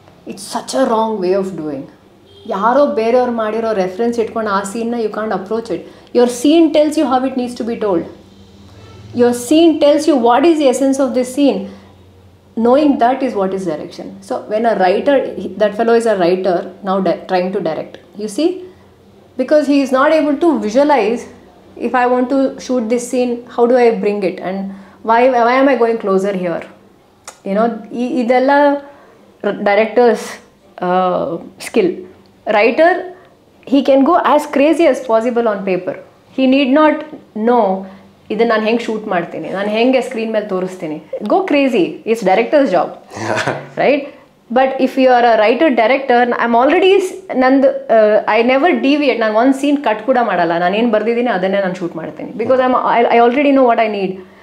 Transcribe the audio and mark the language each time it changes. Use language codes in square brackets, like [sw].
[en] It's such a wrong way of doing. [kn] ಯಾರೋ ಬೇರೆಯವ್ರು ಮಾಡಿರೋ ರೆಫರೆನ್ಸ್ ಇಟ್ಕೊಂಡು ಆ ಸೀನ್ನ [en] You can't approach it. Your scene tells you have it needs to be told. Your scene tells you what is the essence of this scene. Knowing that is what is direction. So when a writer, that fellow is a writer now trying to direct, you see, because he is not able to visualize, if I want to shoot this scene, how do I bring it, and why am I going closer here, you know, idella director's skill. Writer, he can go as crazy as possible on paper. He need not know [kn] ಇದನ್ನು ನಾನು ಹೆಂಗೆ shoot ಮಾಡ್ತೀನಿ, ನಾನು ಹೆಂಗೆ screen ಮೇಲೆ ತೋರಿಸ್ತೀನಿ. [en] Go crazy, it's director's job, right? But if you are a writer director, I am already, ನಂದು I never deviate, [kn] ನಾನು ಒಂದು ಸೀನ್ ಕಟ್ ಕೂಡ ಮಾಡಲ್ಲ, ನಾನೇನು ಬರೆದಿದ್ದೀನಿ ಅದನ್ನೇ ನಾನು ಶೂಟ್ ಮಾಡ್ತೀನಿ, [en] Because I already know what I need.